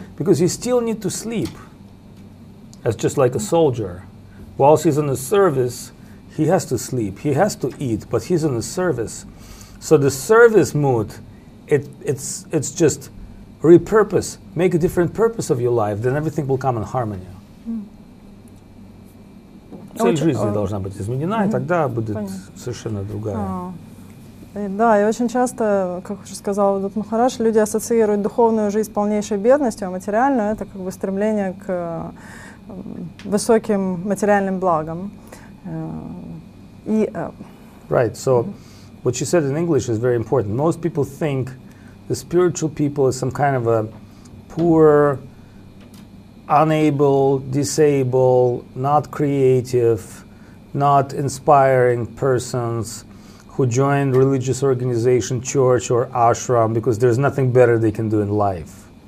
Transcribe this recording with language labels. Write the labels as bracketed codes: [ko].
[en] Because you still need to sleep. That's just like a soldier. Whilst he's in the service, he has to sleep. He has to eat, but he's in the service. So the service mood, it's just repurpose, make a different purpose of your life, then everything will come in harmony. [ru] Цель жизни должна быть изменена, и тогда будет совершенно другая. Да, и очень часто, как уже сказал Адут Махарадж, люди ассоциируют духовную жизнь с полнейшей бедностью, а материальную — это как бы стремление к высоким материальным благам. [en] Right, so what you said in English is very important. Most people think the spiritual people is some kind of a poor, unable, disabled, not creative, not inspiring persons who join religious organization, church or ashram, because there's nothing better they can do in life.